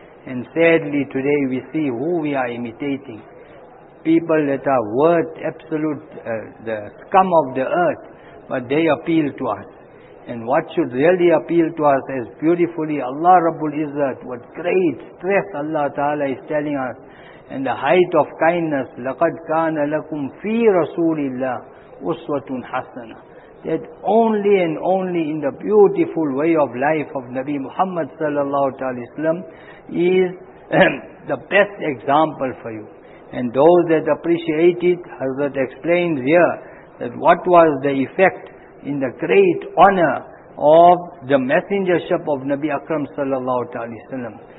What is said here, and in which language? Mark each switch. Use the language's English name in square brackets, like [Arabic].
[English] And sadly today we see who we are imitating. People that are worth absolute the scum of the earth, but they appeal to us. And what should really appeal to us is beautifully Allah Rabbul Izzat, what great stress Allah Ta'ala is telling us. And the height of kindness, [Arabic] لَقَدْ كَانَ لَكُمْ فِي رَسُولِ اللَّهِ أُسْوَةٌ حَسَنَةٌ. [English] That only and only in the beautiful way of life of Nabi Muhammad sallallahu alaihi wasallam is the best example for you. And those that appreciate it, Hazrat explains here that what was the effect in the great honor of the messengership of Nabi Akram sallallahu alaihi wasallam.